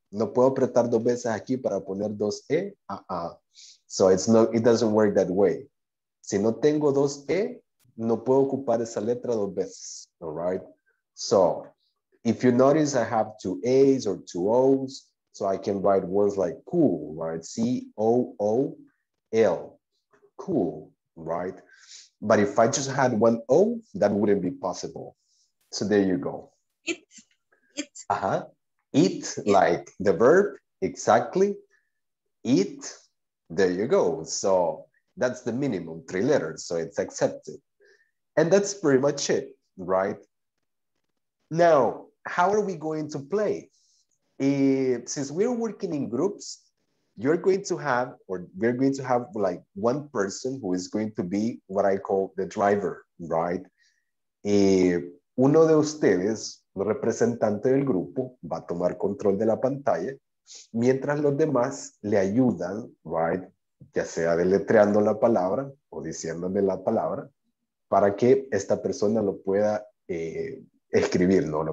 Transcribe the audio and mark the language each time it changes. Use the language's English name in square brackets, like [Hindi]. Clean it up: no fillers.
[Spanish] No puedo apretar 2 veces aquí para poner 2 E. [English] So it doesn't work that way. [Spanish] Si no tengo 2 E, no puedo ocupar esa letra dos veces, all right? [English] So, if you notice, I have two A's or two O's, so I can write words like cool, right? C-O-O-L, cool, right? But if I just had one O, that wouldn't be possible. So there you go. It. Uh-huh. It, like the verb, exactly. It, there you go. So that's the minimum, three letters, so it's accepted. And that's pretty much it, right? Now, how are we going to play? If, since we're working in groups, you're going to have, or we're going to have like one person who is going to be what I call the driver, right? [Spanish] Uno de ustedes, representante del grupo, va a tomar control de la pantalla, mientras los demás le ayudan, right? Ya sea deletreando la palabra o diciéndome la palabra, para que esta persona lo pueda escribir, ¿no?